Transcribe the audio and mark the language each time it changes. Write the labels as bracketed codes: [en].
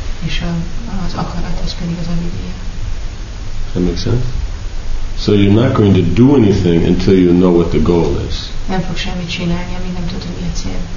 [hu] És az akarat, az pedig az avideya. [en] Does that make sense? So you're not going to do anything until you know what the goal is. [hu] Nem fog semmit csinálni, amíg nem tudod, mi a cél.